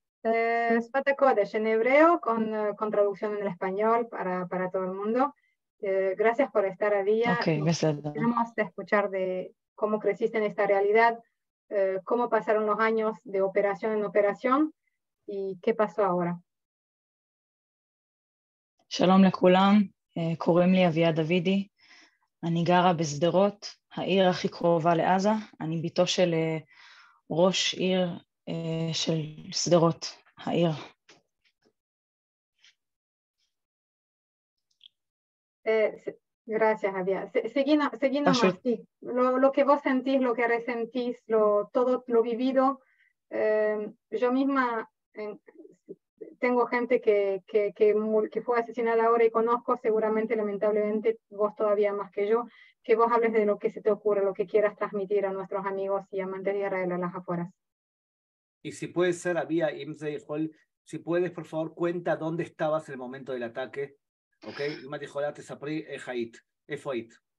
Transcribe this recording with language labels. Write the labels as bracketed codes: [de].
[es] Sfat HaKodesh, en hebreo, con traducción en el español para todo el mundo. Gracias por estar a día. Okay, queremos escuchar de cómo creciste en esta realidad, cómo pasaron los años de operación en operación y qué pasó ahora. [he] Shalom lekulam, קוראים לי אביה דודי, אני גרה בסדרות, העיר הכי קרובה לעזה, אני ביתו של ראש עיר של סדרות, העיר. [es] Gracias, Javier. Seguimos así. Lo que vos sentís, lo que resentís, todo lo vivido. Yo misma tengo gente que fue asesinada ahora y conozco, seguramente, lamentablemente, vos todavía más que yo, que vos hables de lo que se te ocurre, lo que quieras transmitir a nuestros amigos y amantes de Israel a las afueras. Y si puede ser, Javier, Imze y Joel, si puedes, por favor, cuenta dónde estabas en el momento del ataque. [he] אוקיי, אם את יכולה תספרי איך היית, איפה היית?